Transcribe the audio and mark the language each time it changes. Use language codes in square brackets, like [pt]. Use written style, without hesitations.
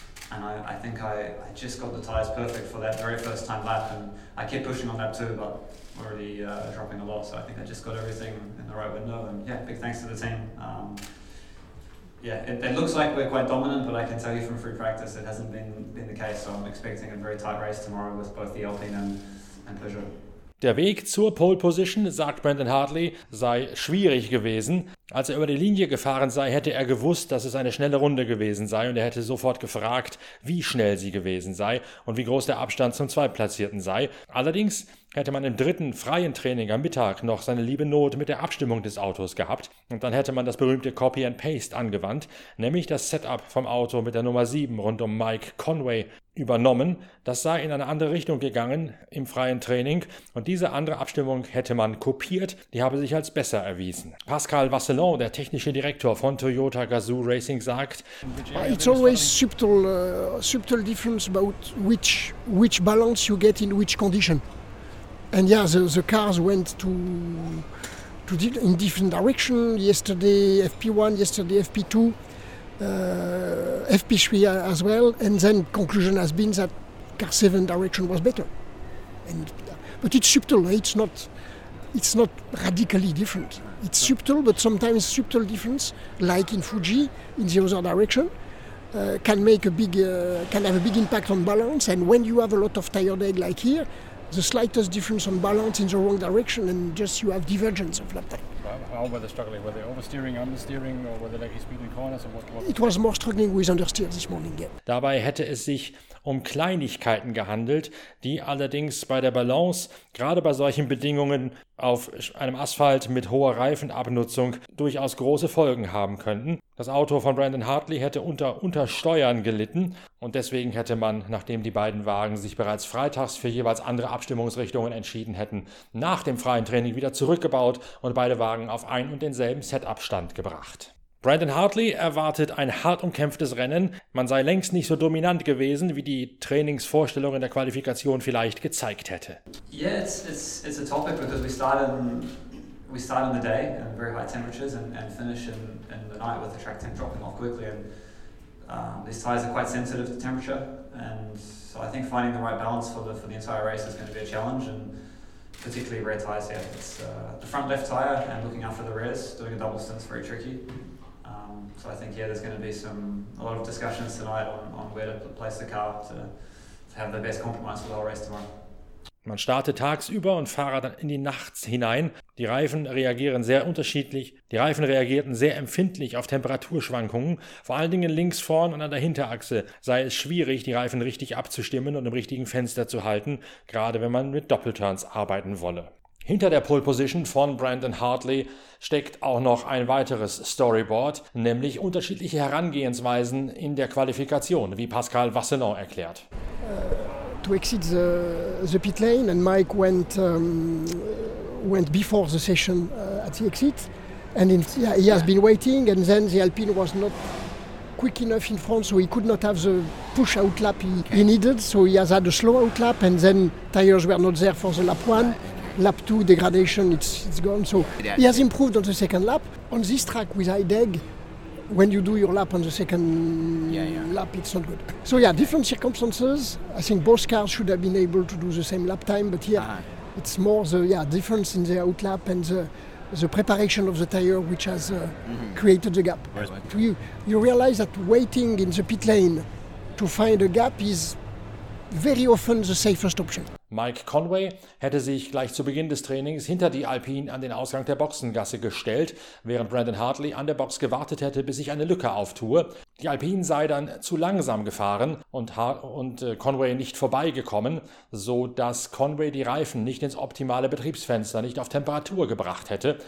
[en] And I think I just got the tyres perfect for that very first time lap, and I kept pushing on lap two, but already dropping a lot, so I think I just got everything in the right window. And yeah, big thanks to the team. It looks like we're quite dominant, but I can tell you from free practice it hasn't been the case. So I'm expecting a very tight race tomorrow with both the Alpine and and Peugeot. [de] Der Weg zur Pole Position, sagt Brendan Hartley, sei schwierig gewesen. Als er über die Linie gefahren sei, hätte er gewusst, dass es eine schnelle Runde gewesen sei und er hätte sofort gefragt, wie schnell sie gewesen sei und wie groß der Abstand zum Zweitplatzierten sei. Allerdings hätte man im dritten freien Training am Mittag noch seine liebe Not mit der Abstimmung des Autos gehabt und dann hätte man das berühmte Copy and Paste angewandt, nämlich das Setup vom Auto mit der Nummer 7 rund um Mike Conway übernommen. Das sei in eine andere Richtung gegangen im freien Training und diese andere Abstimmung hätte man kopiert, die habe sich als besser erwiesen. Pascal Vasselon, der technische Direktor von Toyota Gazoo Racing, sagt: [en] It's always subtle difference about which balance you get in which condition. And yeah, the cars went to in different direction. Yesterday FP1, yesterday FP2, FP3 as well. And then conclusion has been that car 7 direction was better. But it's subtle. It's not radically different. It's subtle, but sometimes subtle difference, like in Fuji, in the other direction, can have a big impact on balance. And when you have a lot of tired head like here, the slightest difference on balance in the wrong direction, and just you have divergence of lap time. How were they struggling? Were they oversteering, understeering, or were they like speeding corners? It was more struggling with understeer this morning. Yeah. [de] Dabei hätte es sich um Kleinigkeiten gehandelt, die allerdings bei der Balance, gerade bei solchen Bedingungen auf einem Asphalt mit hoher Reifenabnutzung, durchaus große Folgen haben könnten. Das Auto von Brendan Hartley hätte unter Steuern gelitten und deswegen hätte man, nachdem die beiden Wagen sich bereits freitags für jeweils andere Abstimmungsrichtungen entschieden hätten, nach dem freien Training wieder zurückgebaut und beide Wagen auf ein und denselben Setup-Stand gebracht. Brendan Hartley erwartet ein hart umkämpftes Rennen. Man sei längst nicht so dominant gewesen, wie die Trainingsvorstellung in der Qualifikation vielleicht gezeigt hätte. [en] Yeah, it's a topic because we start in the day in very high temperatures and finish in the night with the track temp dropping off quickly. And these tires are quite sensitive to temperature. And so I think finding the right balance for the entire race is going to be a challenge. And particularly rear tires, yeah. It's the front left tire and looking after the rears, doing a double stint is very tricky. So I think, yeah, there's going to be a lot of discussions tonight on where to place the car to have the best compromise for the whole race tomorrow. [de] Man starte tagsüber und fahre dann in die Nacht hinein. Die Reifen reagieren sehr unterschiedlich. Die Reifen reagierten sehr empfindlich auf Temperaturschwankungen. Vor allen Dingen links vorn und an der Hinterachse sei es schwierig, die Reifen richtig abzustimmen und im richtigen Fenster zu halten, gerade wenn man mit Doppelturns arbeiten wolle. Hinter der Pole Position von Brendan Hartley steckt auch noch ein weiteres Storyboard, nämlich unterschiedliche Herangehensweisen in der Qualifikation, wie Pascal Vasselon erklärt. [en] To exit the pit lane and Mike went before the session at the exit and he has been waiting and then the Alpine was not quick enough in front so he could not have the push out lap he needed, so he has had a slow out lap and then tires were not there for the lap one. Lap 2 degradation, it's gone. So he has improved on the second lap. On this track with IDEG, when you do your lap on the second lap, it's not good. So yeah, different circumstances. I think both cars should have been able to do the same lap time, but here it's more the difference in the out lap and the preparation of the tire which has created the gap. You realize that waiting in the pit lane to find a gap is very often the safest option. [de] Mike Conway hätte sich gleich zu Beginn des Trainings hinter die Alpine an den Ausgang der Boxengasse gestellt, während Brendan Hartley an der Box gewartet hätte, bis sich eine Lücke auftue. Die Alpine sei dann zu langsam gefahren und Conway nicht vorbeigekommen, so dass Conway die Reifen nicht ins optimale Betriebsfenster, nicht auf Temperatur gebracht hätte.